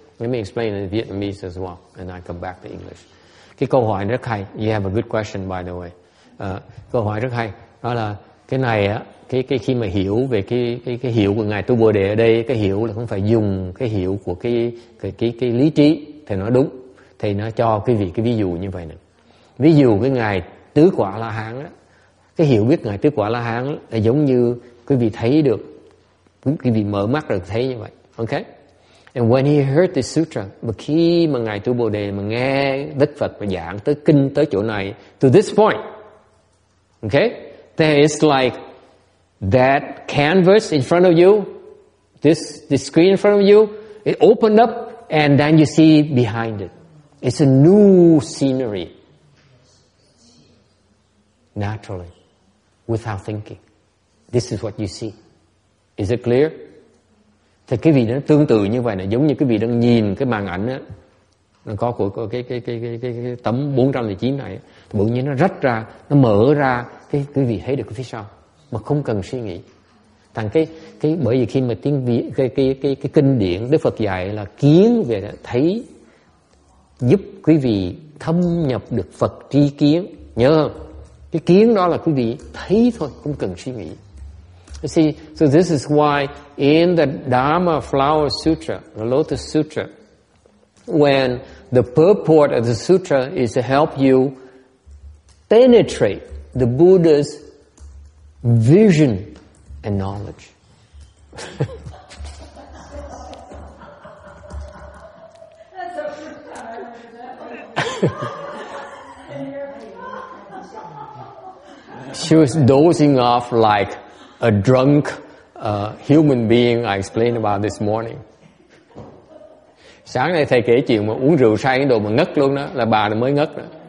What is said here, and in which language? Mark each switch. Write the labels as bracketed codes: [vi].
[en] Let me explain in Vietnamese as well, and I come back to English. [vi] Cái câu hỏi rất hay. [en] You have a good question, by the way. [vi] Câu hỏi rất hay. Đó là cái này á, cái khi mà hiểu về cái hiểu của ngài Tu Bồ Đề ở đây, cái hiểu là không phải dùng cái hiểu của cái lý trí, thì nó đúng. Thầy nó cho quý vị cái ví dụ như vậy nè. Ví dụ cái ngài tứ quả la hán á, cái hiểu biết ngài tứ quả la hán là giống như quý vị thấy được, quý vị mở mắt được thấy như vậy. Ok? [en] And when he heard this sutra, [vi] mà khi mà ngài Tu Bồ Đề mà nghe Đức Phật mà giảng tới kinh tới chỗ này, [en] to this point, [vi] ok? [en] Then it's like that canvas in front of you, this screen in front of you, it opened up and then you see behind it. It's a new scenery, naturally, without thinking. This is what you see. Is it clear? [vi] Thì cái vị nó tương tự như vậy này, giống như cái vị đang nhìn cái màn ảnh á, nó có của cái tấm 409 này, bỗng nhiên nó rách ra, nó mở ra, cái vị thấy được cái phía sau mà không cần suy nghĩ. Thằng cái bởi vì khi mà tiếng Việt cái kinh điển Đức Phật dạy là kiến về thấy, giúp quý vị thâm nhập được Phật tri kiến. Nhớ không? Cái kiến đó là quý vị thấy thôi, không cần suy nghĩ. [en] You see, so this is why in the Dharma Flower Sutra, the Lotus Sutra, when the purport of the sutra is to help you penetrate the Buddha's vision and knowledge. She was dozing off like a drunk human being I explained about this morning. [vi] Sáng nay thầy kể chuyện mà uống rượu say cái đồ mà ngất luôn đó, là bà nó mới ngất đó.